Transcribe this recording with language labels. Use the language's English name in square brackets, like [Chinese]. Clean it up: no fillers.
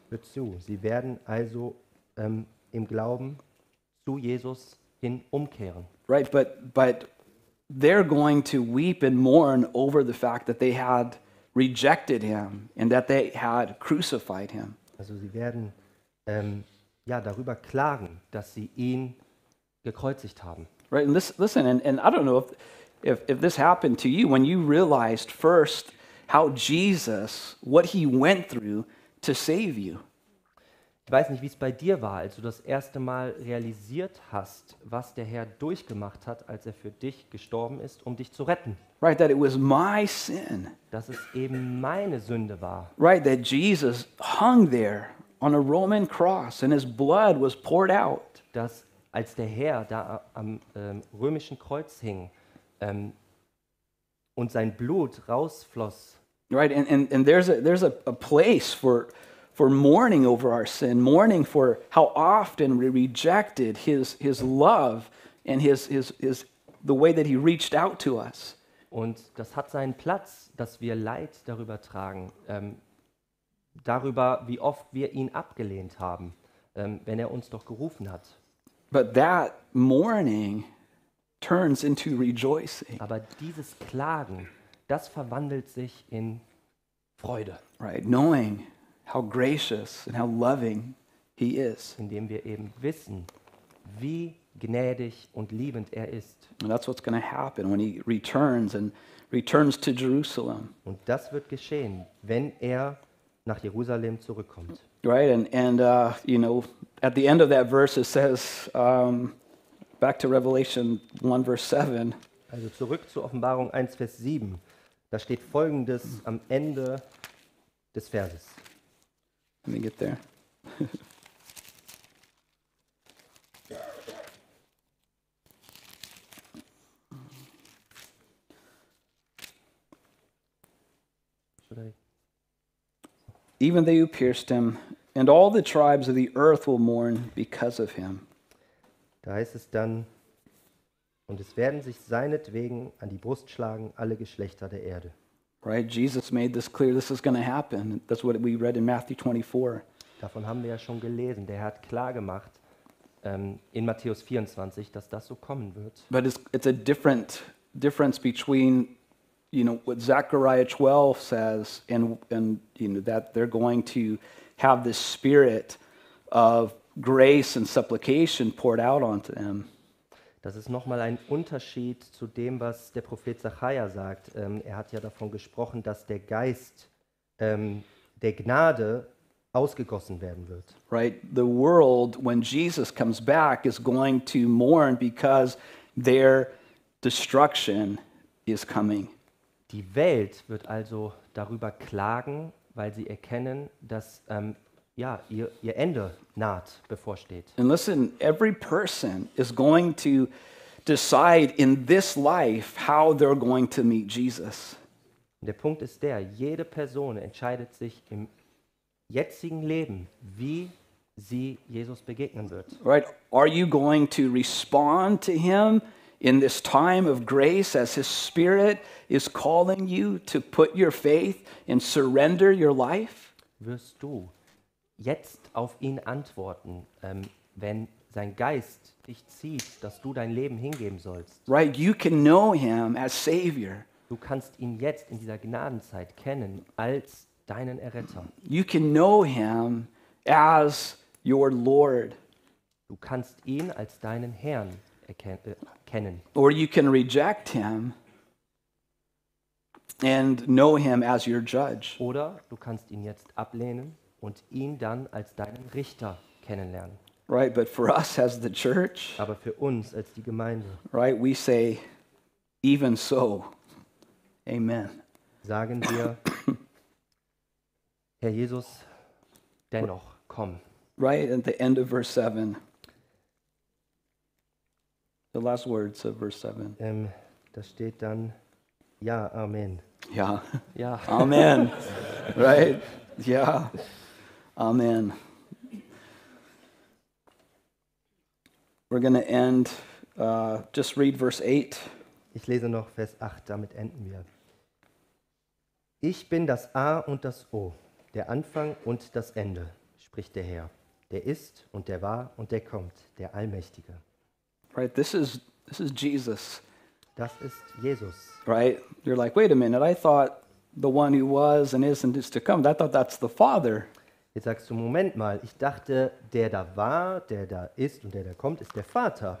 [German] Hör zu, sie werden also im Glauben zu Jesus hin umkehren. [English] Right, but they're going to weep and mourn over the fact that they had rejected him and that they had crucified him. [German] Also sie werden ja darüber klagen, dass sie ihn gekreuzigt haben. [English] Right, and listen, and I don't know if this happened to you when you realized first how Jesus, what he went through to save you. [German] Ich weiß nicht, wie es bei dir war, als du das erste Mal realisiert hast, was der Herr durchgemacht hat, als er für dich gestorben ist, um dich zu retten. [English] Right, that it was my sin. [German] Dass es eben meine Sünde war. [English] Right, that Jesus hung there on a Roman cross and his blood was poured out. [German] Dass als der Herr da am römischen Kreuz hing und sein Blut rausfloss. [English] Right, and there's a place for mourning over our sin, mourning for how often we rejected his love and his the way that he reached out to us. [German] Und das hat seinen Platz, dass wir Leid darüber tragen, darüber, wie oft wir ihn abgelehnt haben, wenn er uns doch gerufen hat. [English] But that mourning turns into rejoicing. [German] Aber dieses Klagen, das verwandelt sich in Freude. [English] Right, knowing how gracious and how loving he is. [German] Indem wir eben wissen, wie gnädig und liebend er ist. [English] And that's what's going to happen when he returns and returns to Jerusalem. [German] Und das wird geschehen, wenn er nach Jerusalem zurückkommt. [English] Right, and you know, at the end of that verse it says, back to Revelation 1 verse 7. [German] Also zurück zu Offenbarung 1 Vers 7. Da steht Folgendes am Ende des Verses. [English] Let me get there. Even they who pierced him, and all the tribes of the earth will mourn because of him. [German] Da heißt es dann, und es werden sich seinetwegen an die Brust schlagen alle Geschlechter der Erde. [English] Right, Jesus made this clear, this is going to happen. That's what we read in Matthew 24. [German] Davon haben wir ja schon gelesen. Der Herr hat klar gemacht in Matthäus 24, dass das so kommen wird. [English] But it's a different difference between, you know, what Zechariah 12 says and you know that they're going to have this spirit of grace and supplication poured out onto them. [German] Das ist nochmal ein Unterschied zu dem, was der Prophet Zachariah sagt. Er hat ja davon gesprochen, dass der Geist der Gnade ausgegossen werden wird. [English] Right, the world when Jesus comes back is going to mourn because their destruction is coming. [German] Die Welt wird also darüber klagen, weil sie erkennen, dass ja, ihr Ende naht, bevorsteht. [English] And listen, every person is going to decide in this life how they're going to meet Jesus. Der Punkt ist der, jede Person entscheidet sich im jetzigen Leben, wie sie Jesus begegnen wird. Right? Are you going to respond to him in this time of grace as his Spirit is calling you to put your faith and surrender your life? [German] Wirst du jetzt auf ihn antworten, wenn sein Geist dich zieht, dass du dein Leben hingeben sollst? [English] Right, you can know him as Savior. [German] Du kannst ihn jetzt in dieser Gnadenzeit kennen als deinen Erretter. [English] You can know him as your Lord. [German] Du kannst ihn als deinen Herrn kennen. [English] Or you can reject him and know him as your judge. [German] Oder du kannst ihn jetzt ablehnen und ihn dann als deinen Richter kennenlernen. [English] Right, but for us as the church, [German] aber für uns als die Gemeinde, [English] right, we say, even so, amen. [German] Sagen wir, Herr Jesus, dennoch, komm. [English] Right, at the end of verse 7. The last words of verse 7. [German] Da steht dann, ja, amen. Ja. Ja. Amen. Right? Ja. Amen. [English] We're going to end, just read verse 8. [German] Ich lese noch Vers 8, damit enden wir. Ich bin das A und das O, der Anfang und das Ende, spricht der Herr. Der ist und der war und der kommt, der Allmächtige. [English] Right, this is Jesus. [German] Das ist Jesus. [English] Right, you're like, wait a minute, I thought the one who was and is and is to come, I thought that's the Father. [German] Jetzt sagst du, Moment mal, ich dachte, der da war, der da ist und der da kommt, ist der Vater.